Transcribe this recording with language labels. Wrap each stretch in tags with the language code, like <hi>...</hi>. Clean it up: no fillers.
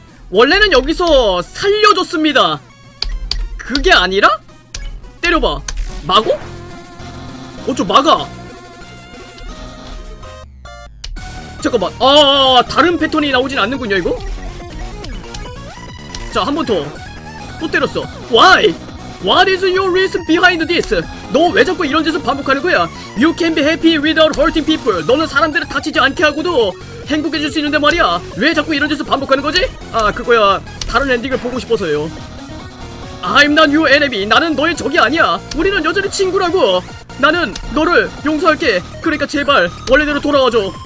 <ko>원래는 여기서 살려줬습니다. 그게 아니라? 때려봐. 마고? 어쩌 막아. 잠깐만. 아 다른 패턴이 나오진 않는군요 이거. 자 한 번 더. 또 때렸어.</ko> <en>Why? What is your reason behind this?</en> <ko>너 왜 자꾸 이런 짓을 반복하는 거야?</ko> <en>You can be happy without hurting people.</en> <ko>너는 사람들을 다치지 않게 하고도 행복해질 수 있는데 말이야. 왜 자꾸 이런 짓을 반복하는 거지? 아 그거야. 다른 엔딩을 보고 싶어서요.</ko> <en>I'm not your enemy.</en> <ko>나는 너의 적이 아니야. 우리는 여전히 친구라고. 나는 너를 용서할게. 그러니까 제발 원래대로 돌아와줘.</ko>